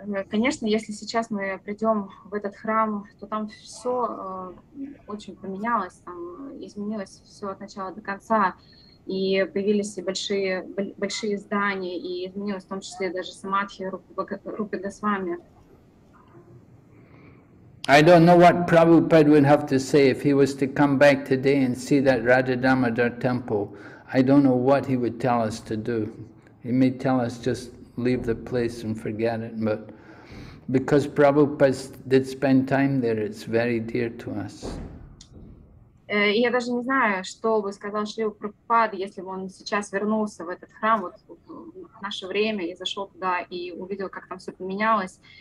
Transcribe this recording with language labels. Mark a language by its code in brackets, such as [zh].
[ru] Конечно, если сейчас мы придем в этот храм, то там все очень поменялось, там изменилось все от начала до конца, и появились и большие здания, и изменилось в том числе даже самадхи Рупы Госвами. [en] I don't know what Prabhupada would have to say if he was to come back today and see that Radha-Damodar temple. I don't know what he would tell us to do. He may tell us just leave the place and forget it, but because Prabhupada did spend time there, it's very dear to us. [ru] Я даже не знаю, что бы сказал Шрила Прабхупада, если бы он сейчас вернулся в этот храм вот в наше время и зашел туда и увидел, как там все поменялось.